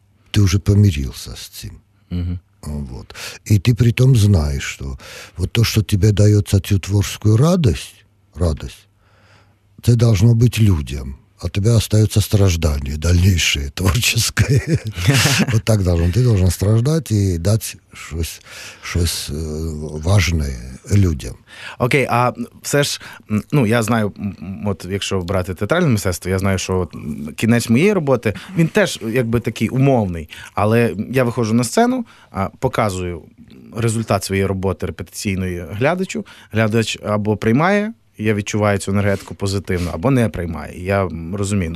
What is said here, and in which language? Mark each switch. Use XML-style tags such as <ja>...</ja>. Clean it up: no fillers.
<uk>Ти вже помирився з цим. Угу.</uk> <ru>Вот.</ru> <uk>І ти при тому знаєш, що от то, що тобі дається цю творчу радість, це має бути людям.</uk> <ru>А тебе остається страждання дальнейшее творческое. Вот так должен. Ты должен страждать и дать щось важное людям.</ru> <uk>Окей, а все ж, ну, я знаю, от якщо брати театральне мистецтво, я знаю, що кінець моєї роботи, він теж якби такий умовний, але я виходжу на сцену, показую результат своєї роботи репетиційної глядачу, глядач або приймає, я відчуваю цю енергетику позитивно, або не приймаю. Я розумію.</uk>